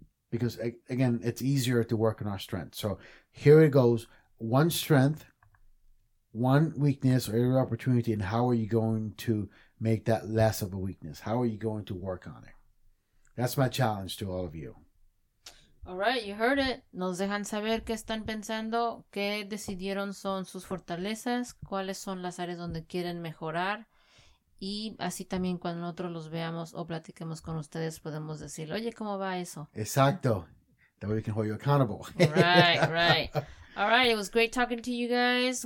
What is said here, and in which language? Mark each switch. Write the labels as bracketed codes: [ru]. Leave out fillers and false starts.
[en] Because, again, it's easier to work on our strength. So here it goes. One strength, one weakness or area of opportunity, and how are you going to make that less of a weakness? How are you going to work on it? That's my challenge to all of you. All right, you heard it. [es] Nos dejan saber qué están pensando, qué decidieron son sus fortalezas, cuáles son las áreas donde quieren mejorar. Y así también cuando nosotros los veamos o platiquemos con ustedes, podemos decir, oye, ¿cómo va eso? [en] Exacto. That way we can hold you accountable. Right. All right, it was great talking to you guys.